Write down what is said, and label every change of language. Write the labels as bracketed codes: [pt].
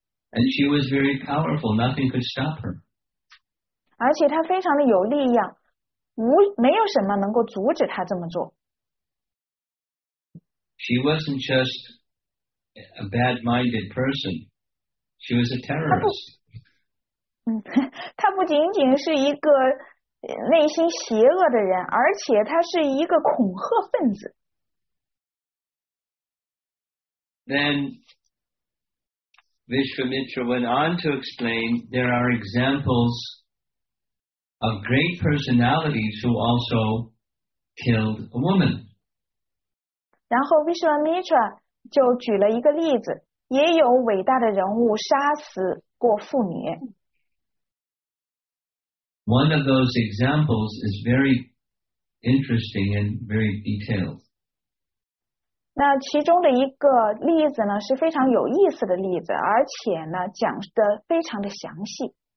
[en] And she was very powerful, nothing could stop her. [zh] 而且她非常的有力量，没有什么能够阻止她这么做。 [en] She wasn't just a bad-minded person, she was a terrorist. [zh] 她不仅仅是一个内心邪恶的人，而且他是一个恐吓分子。 [en] Then Vishwamitra went on to explain there are examples of great personalities who also killed a woman. [zh] 然后 Vishwamitra 就举了一个例子，也有伟大的人物杀死过妇女。 [en] One of those examples is very interesting and very detailed. [zh] 那其中的一个例子呢是非常有意思的例子，而且呢讲得非常的详细。